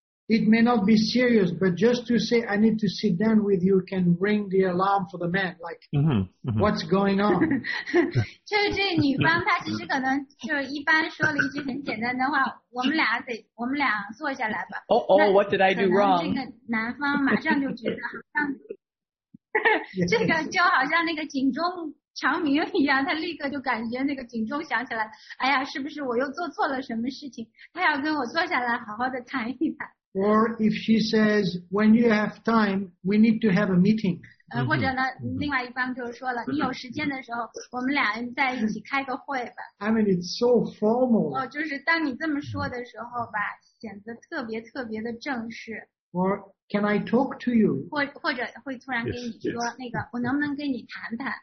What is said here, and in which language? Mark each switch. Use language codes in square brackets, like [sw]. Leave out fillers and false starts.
[en] It may not be serious, but just to say, I need to sit down with you can ring the alarm for the man. Like, what's going on? [zh] 就是这个女方，她其实可能就是一般说了一句很简单的话，我们俩坐下来吧。 [en] Oh, what did I do wrong? [zh] 这个男方马上就觉得好像，这个就好像那个警钟长鸣一样，他立刻就感觉那个警钟响起来，哎呀，是不是我又做错了什么事情？他要跟我坐下来好好的谈一谈。 [en] Or if she says, when you have time, we need to have a meeting. [zh] 或者呢，另外一方就是说了，你有时间的时候，我们俩再一起开个会吧。 [en] I mean, it's so formal. [zh] 哦，就是当你这么说的时候吧，显得特别特别的正式。 [en] Or can I talk to you? [zh] 或者会突然跟你说，那个，我能不能跟你谈谈？